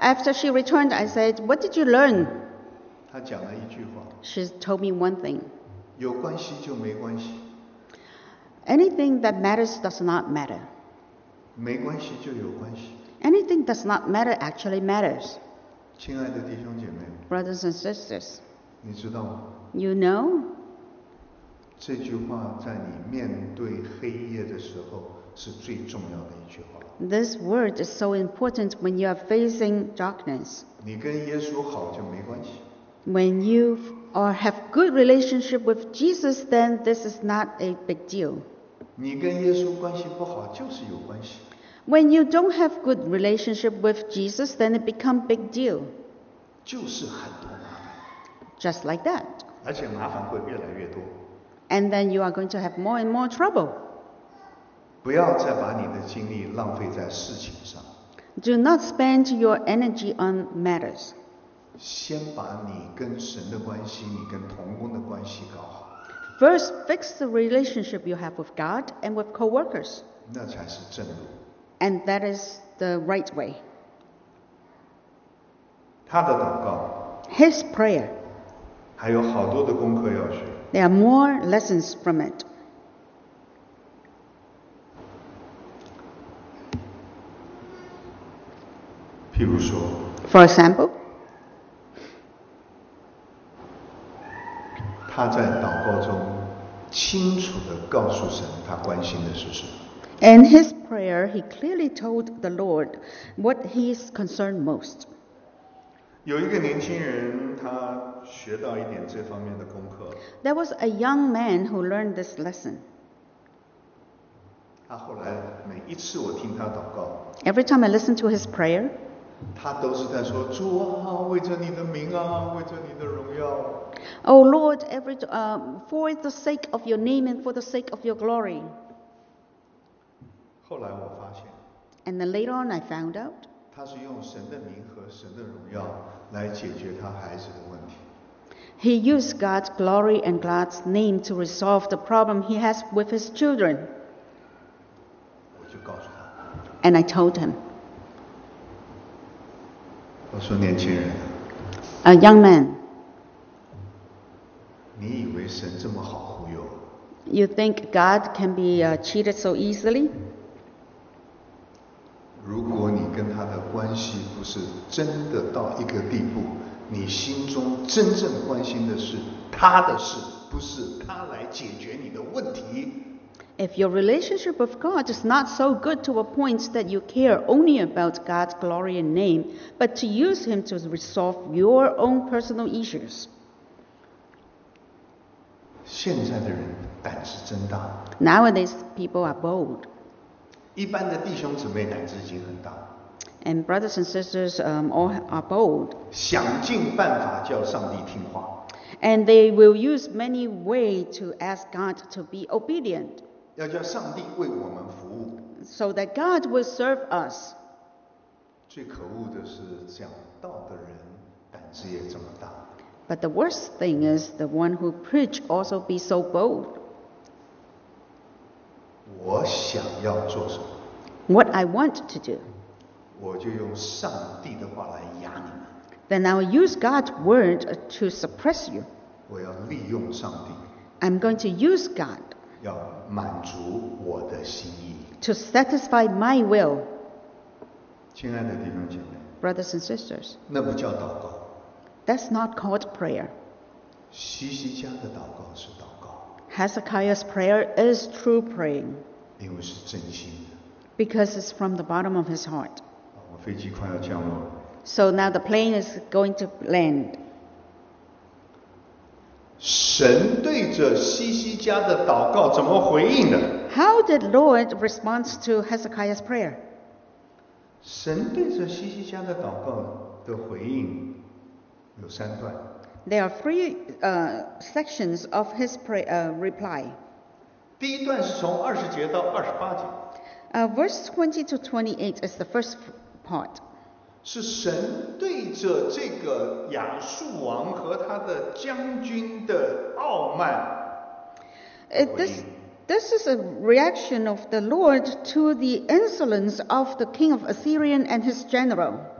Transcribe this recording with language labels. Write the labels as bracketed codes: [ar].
[en] After she returned, I said, "What did you learn?" [zh] 她讲了一句话。 [en] She told me one thing. [zh] 有关系就没关系。 [en] Anything that matters does not matter. [zh] 没关系就有关系。 [en] Anything does not matter actually matters. [zh] 亲爱的弟兄姐妹。 [en] Brothers and sisters, [zh] 你知道吗？ [en] You know? [zh] 这句话在你面对黑夜的时候是最重要的一句话。 [en] This word is so important when you are facing darkness. [zh] 你跟耶稣好就没关系。 [en] When you have good relationship with Jesus, then this is not a big deal. [zh] 你跟耶稣关系不好就是有关系。 [en] When you don't have good relationship with Jesus, then it becomes a big deal. [zh] 就是很多麻烦。 [en] Just like that. [zh] 而且麻烦会越来越多。 [en] And then you are going to have more and more trouble. [zh] 不要再把你的精力浪费在事情上。 [en] Do not spend your energy on matters. [zh] 先把你跟神的关系，你跟同工的关系搞好。 [en] First, fix the relationship you have with God and with co-workers. [zh] 那才是正路。 [en] And that is the right way. [zh] 他的祷告 [en] His prayer [zh] 还有好多的功课要学 [en] There are more lessons from it [zh] 譬如说 [en] For example [zh] 他在祷告中清楚地告诉神他关心的是什么 [en] In his prayer he clearly told the Lord what he is concerned most [zh] 有一个年轻人，他学到一点这方面的功课。 [en] There was a young man who learned this lesson. [zh] 他后来每一次我听他祷告。 [en] Every time I listen to his prayer. [zh] 他都是在说主啊，为着你的名啊，为着你的荣耀。 [en] Oh Lord, for the sake of your name and for the sake of your glory. [zh] 后来我发现。 [en] And then later on, I found out. [zh] 他是用神的名和神的荣耀来解决他孩子的问题。 [en] He used God's glory and God's name to resolve the problem he has with his children. [zh] 我就告诉他。 [en] And I told him. [zh] 我说年轻人。 [en] A young man. [zh] 你以为神这么好忽悠？ [en] You think God can be cheated so easily? [zh] 如果你跟他的关系不是真的到一个地步，你心中真正关心的是他的事，不是他来解决你的问题。 [en] If your relationship with God is not so good to a point that you care only about God's glory and name, but to use him to resolve your own personal issues. [zh] 现在的人胆子真大。 [en] Nowadays, people are bold. [zh] 一般的弟兄姊妹胆子已经很大。 [en] And brothers and sisters, all are bold. [zh] 想尽办法叫上帝听话。 [en] And they will use many ways to ask God to be obedient. [zh] 要叫上帝为我们服务。 [en] So that God will serve us. [zh] 最可恶的是讲道的人胆子也这么大。 [en] But the worst thing is the one who preach also be so bold. [zh] 我想要做什么？ [en] What I want to do. [zh] 我就用上帝的话来压你们。 [en] Then I will use God's word to suppress you. [zh] 我要利用上帝。 [en] I'm going to use God. [zh] 要满足我的心意。 [en] To satisfy my will. [zh] 亲爱的弟兄姐妹。 [en] Brothers and sisters. [zh] 那不叫祷告。 [en] That's not called prayer. [zh] 西西家的祷告是祷告。 [en] Hezekiah's prayer is true praying. [zh] 因为是真心的。 [en] Because it's from the bottom of his heart. [zh] 我飞机快要降落了。 [en] So now the plane is going to land. [zh] 神对着西西家的祷告怎么回应呢？ [en] How did Lord respond to Hezekiah's prayer? [zh] 神对着西西家的祷告的回应有三段。 [en] There are three sections of his reply. [zh] 第一段是从二十节到二十八节。 [en] Verse 20 to 28 is the first part. [zh] 是神对着这个亚述王和他的将军的傲慢。 [en] This is a reaction of the Lord to the insolence of the king of Assyria and his general.